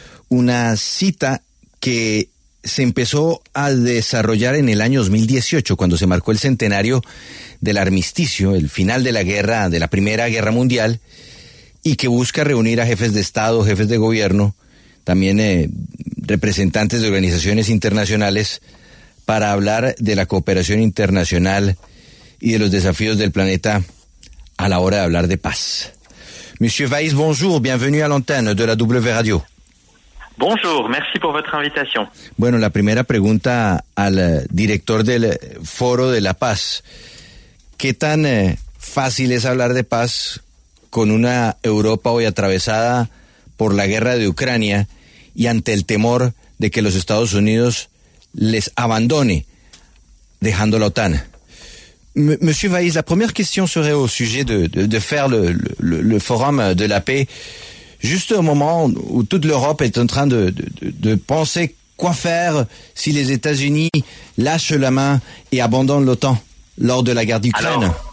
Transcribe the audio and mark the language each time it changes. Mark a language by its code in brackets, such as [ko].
[es] Una cita que se empezó a desarrollar en el año 2018, cuando se marcó el centenario del armisticio, el final de la guerra, de la Primera Guerra Mundial, y que busca reunir a jefes de Estado, jefes de gobierno, también representantes de organizaciones internacionales, para hablar de la cooperación internacional y de los desafíos del planeta a la hora de hablar de paz. [fr] Monsieur Vaiss, bonjour, bienvenue à l'antenne de la W Radio. Bonjour, merci pour votre invitation. [es] Bueno, la primera pregunta al director del Foro de la Paz. ¿Qué tan fácil es hablar de paz con una Europa hoy atravesada por la guerra de Ucrania y ante el temor de que los Estados Unidos les abandone, dejando la OTAN? [fr] Monsieur Vaiss, la première question serait au sujet de faire le forum de la paix, juste au moment où toute l'Europe est en train de penser quoi faire si les États-Unis lâchent la main et abandonnent l'OTAN lors de la guerre d'Ukraine.